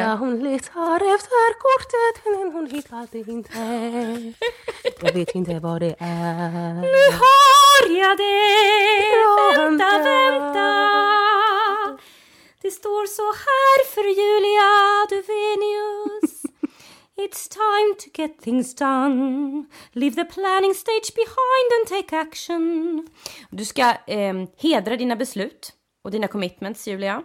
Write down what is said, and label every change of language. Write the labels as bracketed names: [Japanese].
[Swedish] Andra hon letar efter kortet, men hon hittar det inte. Jag vet inte vad det är. Nu har jag det. Vänta. Det står så här för Julia Duvenius. [English] It's time to get things done. Leave the planning stage behind and take action. [Swedish] Du ska hedra dina beslut och dina commitments, Julia.